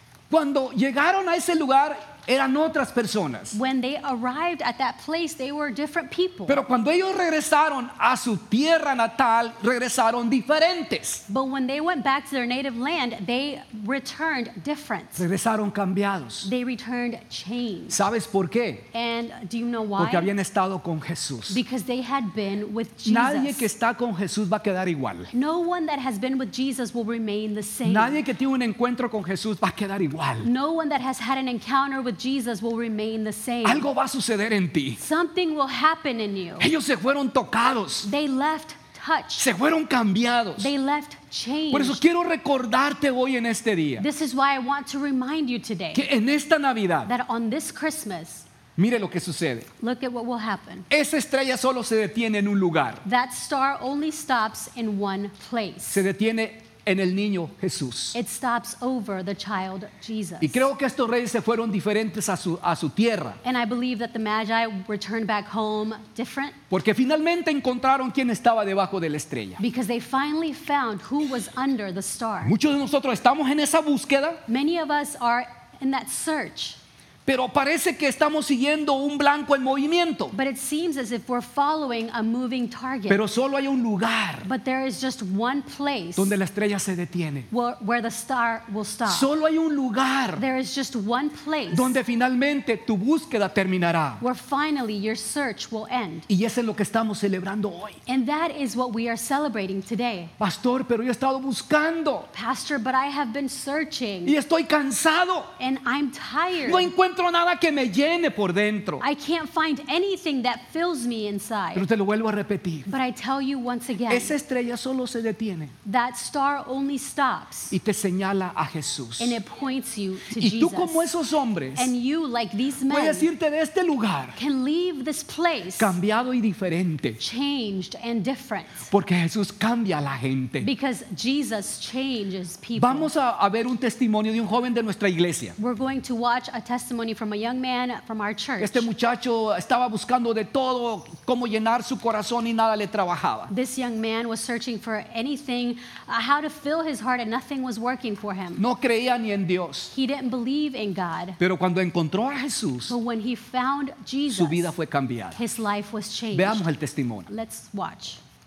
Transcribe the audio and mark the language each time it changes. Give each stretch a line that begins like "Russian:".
Spanish: Cuando llegaron a ese lugar, eran otras personas.
English: When they arrived at that place, they were different people.
Spanish: Pero cuando ellos regresaron a su tierra natal, regresaron diferentes.
English: But when they went back to their native land, they returned different.
Spanish: Regresaron cambiados.
English: They returned changed.
Spanish: ¿Sabes por qué?
English: And do you know why?
Spanish: Porque habían estado con Jesús.
English: Because they had been with Jesus.
Spanish: Nadie que está con Jesús va a quedar igual.
English: No one that has been with Jesus will remain the same.
Spanish: Nadie que tiene un encuentro con Jesús va a quedar igual.
English: No one that has had an encounter with Jesus will remain the same.
Spanish: Algo va a suceder en ti.
English: Something will happen in you.
Spanish: Ellos se fueron tocados.
English: They left touched.
Spanish: Se fueron cambiados.
English: They left changed.
Spanish: Por eso quiero recordarte hoy en este día.
English: This is why I want to remind you today.
Spanish: Que en esta Navidad.
English: That on this Christmas.
Spanish: Mire lo que sucede.
English: Look at what will happen.
Spanish: Esa estrella solo se detiene en un lugar.
English: That star only stops in one place.
Spanish: Se detiene en el niño Jesús.
English: It stops over the child Jesus.
Spanish: Y creo que estos reyes se fueron diferentes a su tierra.
English: And I believe that the Magi returned back home different.
Spanish: Porque finalmente encontraron quién estaba debajo de la estrella.
English: Because they finally found who was under the star.
Spanish: Muchos de nosotros estamos en esa búsqueda.
English: Many of us are in that search.
Spanish: Pero parece que estamos siguiendo un blanco en movimiento.
English: But it seems as if we're following a moving target.
Spanish: Pero solo hay un lugar.
English: But there is just one place.
Spanish: Donde la estrella se detiene.
English: Where the star will stop.
Spanish: Solo hay un lugar.
English: There is just one place.
Spanish: Donde finalmente tu búsqueda terminará.
English: Where finally your search will end.
Spanish: Y eso es lo que estamos celebrando hoy.
English: And that is what we are celebrating today.
Spanish: Pastor, pero yo he estado buscando.
English: Pastor, but I have been searching.
Spanish: Y estoy cansado.
English: And I'm tired.
Spanish: No encuentro nada que me llene por dentro.
English: I can't find anything that fills me inside.
Spanish: Pero te lo vuelvo a repetir.
English: But I tell you once again.
Spanish: Esa estrella solo se detiene.
English: That star only stops.
Spanish: Y te señala a Jesús.
English: And it points you to
Spanish: y
English: Jesus.
Spanish: Y tú como esos hombres.
English: And you like these men.
Spanish: Puedes irte de este lugar.
English: Can leave this place.
Spanish: Cambiado y diferente.
English: Changed and different.
Spanish: Porque Jesús cambia a la gente.
English: Because Jesus changes people.
Spanish: Vamos a ver un testimonio de un joven de nuestra iglesia.
English: We're going to watch a testimony from a young man from our church.
Spanish: Este muchacho estaba buscando de todo cómo llenar su corazón y nada le trabajaba.
English: This young man was searching for anything, how to fill his heart, and nothing was working for him.
Spanish: No creía ni en Dios.
English: He didn't believe in God.
Spanish: Pero cuando encontró a Jesús,
English: but when he found Jesus,
Spanish: su vida fue cambiada.
English: His life was changed.
Spanish: Veamos el testimonio.
English: Let's watch.